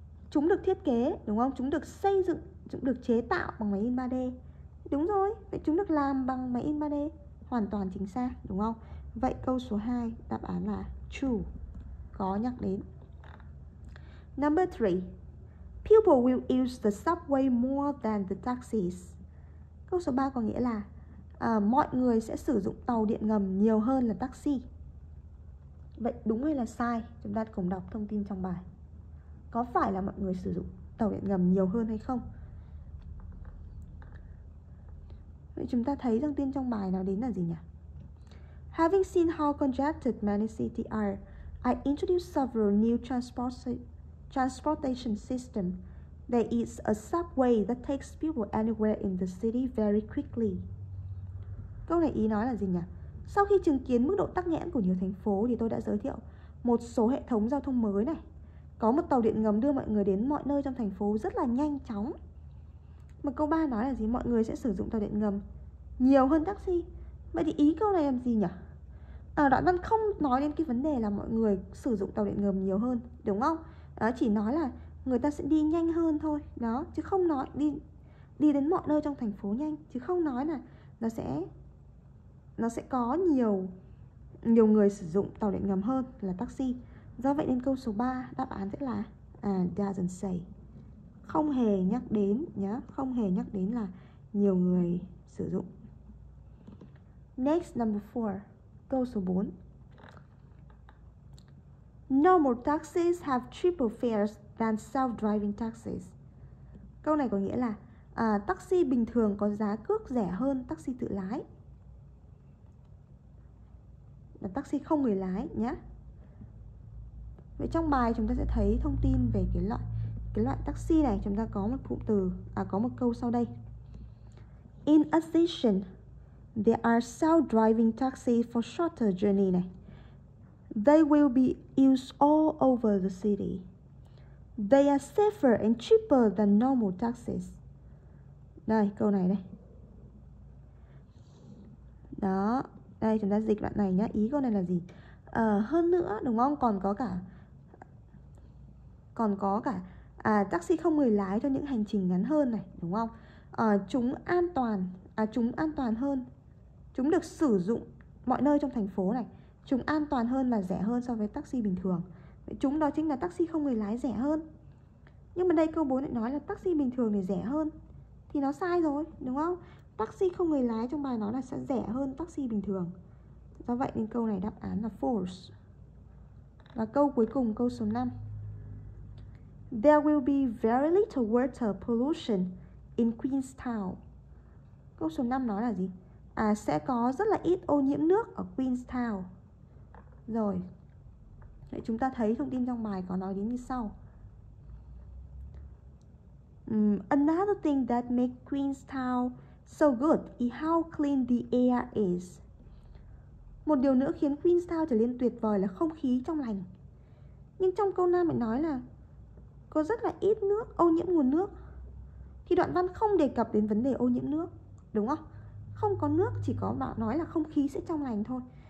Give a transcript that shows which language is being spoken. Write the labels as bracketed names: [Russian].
[Vietnamese] Chúng được thiết kế, đúng không? Chúng được xây dựng, chúng được chế tạo bằng máy in 3D. Đúng rồi, vậy chúng được làm bằng máy in 3D. Hoàn toàn chính xác, đúng không? Vậy câu số 2, đáp án là true, có nhắc đến. [English] Number 3. People will use the subway more than the taxis. [Vietnamese] Câu số 3 có nghĩa là mọi người sẽ sử dụng tàu điện ngầm nhiều hơn là taxi. Vậy đúng hay là sai? Chúng ta cùng đọc thông tin trong bài. Có phải là mọi người sử dụng tàu điện ngầm nhiều hơn hay không? Vậy chúng ta thấy thông tin trong bài nó đến là gì nhỉ? [English] Having seen how congested many cities are, I introduced several new transportation systems. There is a subway that takes people anywhere in the city very quickly. [Vietnamese] Câu này ý nói là gì nhỉ? Sau khi chứng kiến mức độ tắc nghẽn của nhiều thành phố thì tôi đã giới thiệu một số hệ thống giao thông mới này. Có một tàu điện ngầm đưa mọi người đến mọi nơi trong thành phố rất là nhanh chóng. Mà câu 3 nói là gì? Mọi người sẽ sử dụng tàu điện ngầm nhiều hơn taxi. Vậy thì ý câu này làm gì nhỉ? Đoạn văn không nói đến cái vấn đề là mọi người sử dụng tàu điện ngầm nhiều hơn, đúng không? Chỉ nói là người ta sẽ đi nhanh hơn thôi, đó. Chứ không nói đi đến mọi nơi trong thành phố nhanh. Chứ không nói là nó sẽ có nhiều người sử dụng tàu điện ngầm hơn là taxi. Do vậy nên câu số 3 đáp án sẽ là [English] doesn't say. [Vietnamese] Không hề nhắc đến nhá, không hề nhắc đến là nhiều người sử dụng. [English] Next, number 4, [Vietnamese] câu số 4. [English] Normal taxis have triple fares than self-driving taxis. [Vietnamese] Câu này có nghĩa là taxi bình thường có giá cước rẻ hơn taxi tự lái. Là taxi không người lái nhé. Vậy trong bài chúng ta sẽ thấy thông tin về cái loại taxi này. Chúng ta có một cụm từ, có một câu sau đây. [English] In addition, There are self-driving taxis for shorter journey. They will be used all over the city. They are safer and cheaper than normal taxis. [Vietnamese] Đây, câu này đây. Đó, đây chúng ta dịch đoạn này nhá. Ý câu này là gì? Hơn nữa, đúng không? Còn có cả taxi không người lái cho những hành trình ngắn hơn này, đúng không? Chúng an toàn hơn. Chúng được sử dụng mọi nơi trong thành phố này. Chúng an toàn hơn và rẻ hơn so với taxi bình thường. Chúng đó chính là taxi không người lái rẻ hơn. Nhưng mà đây câu 4 lại nói là taxi bình thường thì rẻ hơn. Thì nó sai rồi, đúng không? Taxi không người lái trong bài nói là sẽ rẻ hơn taxi bình thường. Do vậy nên câu này đáp án là false. Và câu cuối cùng, câu số 5. [English] There will be very little water pollution in Queenstown. [Vietnamese] Câu số 5 nói là gì? Sẽ có rất là ít ô nhiễm nước ở Queenstown. Rồi. Vậy chúng ta thấy thông tin trong bài có nói đến như sau. [English] Another thing that makes Queenstown so good is how clean the air is. [Vietnamese] Một điều nữa khiến Queenstown trở nên tuyệt vời là không khí trong lành. Nhưng trong câu 5 lại nói là có rất là ít nước, ô nhiễm nguồn nước. Thì đoạn văn không đề cập đến vấn đề ô nhiễm nước, đúng không? Không có nước, chỉ có bạn nói là không khí sẽ trong lành thôi.